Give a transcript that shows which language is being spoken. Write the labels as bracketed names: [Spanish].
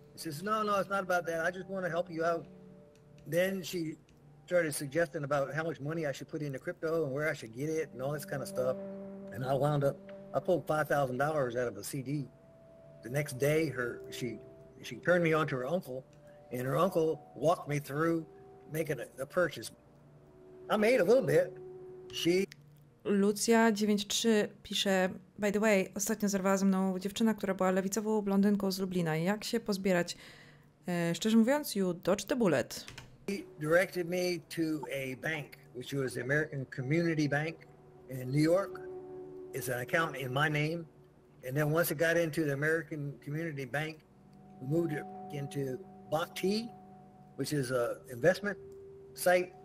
[English] She says, no, it's not about that. I just want to help you out. Then she started suggesting about how much money I should put into crypto and where I should get it and all this kind of stuff. And I pulled $5,000 out of a CD. The next day, she turned me on to her uncle, and her uncle walked me through making a purchase. I made a little bit. [Polish] Lucia 93 pisze, [English] by the way, [Polish] ostatnio zerwała ze mną dziewczyna, która była lewicową blondynką z Lublina. Jak się pozbierać? Szczerze mówiąc, [English] you dodge the bullet. He directed me to a bank, which was the American Community Bank in New York. It's an account in my name. And then once it got into the American Community Bank, we moved it into Bakti, which is a investment site.